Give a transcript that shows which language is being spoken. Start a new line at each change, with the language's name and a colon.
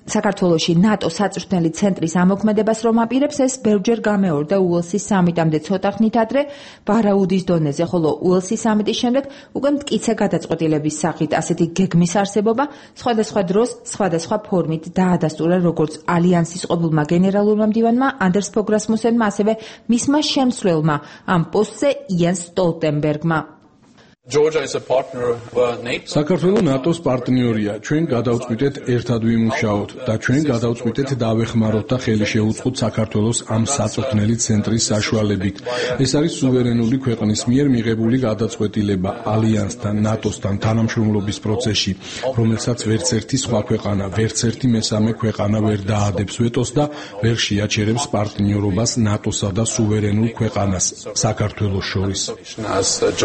Georgian: საქართველოში ნატო საწვრთნელი ცენტრის ამოქმედებას რომ აპირებს, ეს ბევრჯერ გამეორდა უელსის სამიტამდე ცოტა ხნით ადრე ბარაუდის დონეზე, ხოლო უელსის სამიტის შემდეგ უკვე მტკიცე გადაწყვეტილების სახით ასეთი გეგმის არსებობა სხვადასხვა დროს სხვადასხვა ფორმით დაადასტურა როგორც ალიანსის ყოფილმა გენერალურმა მდივანმა ანდერს ფონ რასმუსენმა, ასევე მისმა შემცვლელმა ამ პოსტზე იენს სტოლტენბერგმა.
English: Georgia is a partner of NATO.
Georgian: საქართველო ნატოს პარტნიორია. ჩვენ გადავწყვიტეთ ერთად ვიმუშაოთ და ჩვენ გადავწყვიტეთ დავეხმაროთ და ხელი შეუწყოთ საქართველოს ამ საწვრთნელი ცენტრის საშუალებით. ეს არის სუვერენული ქვეყნის მიერ მიღებული გადაწყვეტილება ალიანსთან, ნატოსთან თანამშრომლობის პროცესში, რომელსაც ვერც ერთი სხვა ქვეყანა, ვერც ერთი მესამე ქვეყანა ვერ დაადებს ვეტოს და ვერ შეაჩერებს პარტნიორობას ნატოსა და სუვერენულ ქვეყანას საქართველოს შორის.